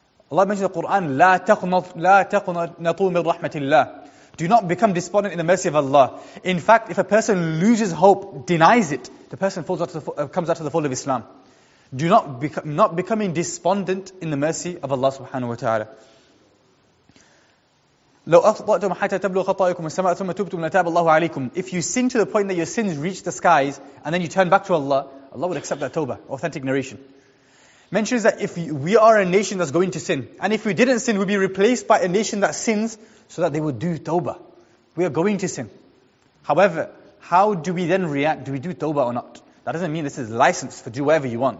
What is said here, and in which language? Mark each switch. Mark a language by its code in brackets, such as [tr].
[en] Allah mentions in the Quran, [ar] لا تقنطوا من رحمة الله. [en] Do not become despondent in the mercy of Allah. In fact, if a person loses hope, denies it, the person comes out of the fold of Islam. Do not becoming despondent in the mercy of Allah subhanahu wa ta'ala. [ar] لو أخطأتم حتى تبلغ خطاياكم السماء ثم تبتم لتاب الله عليكم. [en] If you sin to the point that your sins reach the skies and then you turn back to Allah, Allah will accept that tawbah. Authentic narration mentions that if we are a nation that's going to sin, and if we didn't sin, we'll be replaced by a nation that sins so that they would do tawbah. We are going to sin. However, how do we then react? Do we do tawbah or not? That doesn't mean this is license for do whatever you want.